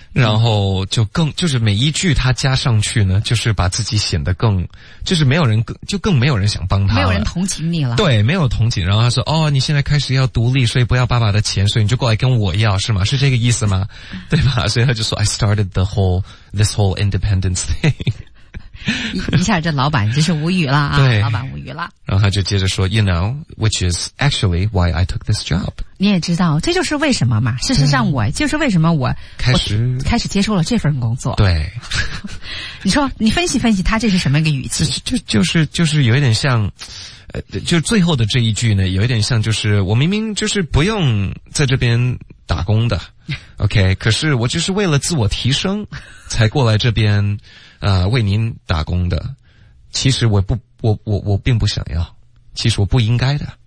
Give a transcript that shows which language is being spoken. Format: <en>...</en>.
<zh>然后就更就是每一句他加上去呢就是把自己显得更就是没有人就更没有人想帮他了没有人同情你了对没有同情然后他说哦你现在开始要独立所以不要爸爸的钱所以你就过来跟我要是吗是这个意思吗对吧所以他就说</zh> <en>I started this whole independence thing</en> <zh>一下这老板真是无语了啊对老板无语了然后他就接着说</zh> <en>you know which is actually why I took this job</en> <zh>你也知道这就是为什么嘛事实上我就是为什么我开始接受了这份工作对你说你分析分析他这是什么一个语气就是有一点像就最后的这一句呢有一点像就是我明明就是不用在这边打工的 OK 可是我就是为了自我提升才过来这边为您打工的其实我并不想要其实我不应该的</zh>